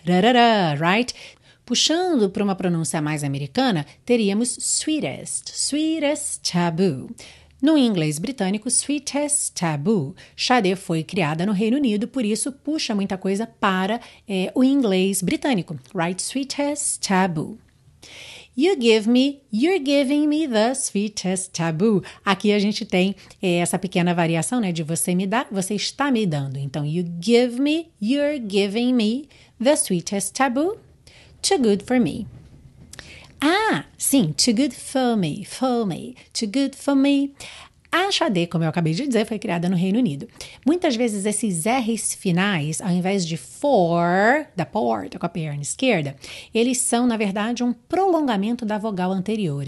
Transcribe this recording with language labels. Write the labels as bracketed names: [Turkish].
[Portuguese] Rarara, right? Puxando para uma pronúncia mais americana, teríamos sweetest. [English] Sweetest taboo. [Portuguese] No inglês britânico, [English] sweetest taboo. [Portuguese] Sade foi criada no Reino Unido, por isso puxa muita coisa para o inglês britânico. [English] Right? Sweetest taboo. You give me, you're giving me the sweetest taboo. [Portuguese] Aqui a gente tem essa pequena variação, né? De você me dá, você está me dando. [English] Então, you give me, you're giving me the sweetest taboo. Too good for me. Ah, sim, too good for me, too good for me. [Portuguese] A Sade, como eu acabei de dizer, foi criada no Reino Unido. Muitas vezes esses R's finais, ao invés de for, da porta com a perna esquerda, eles são, na verdade, um prolongamento da vogal anterior.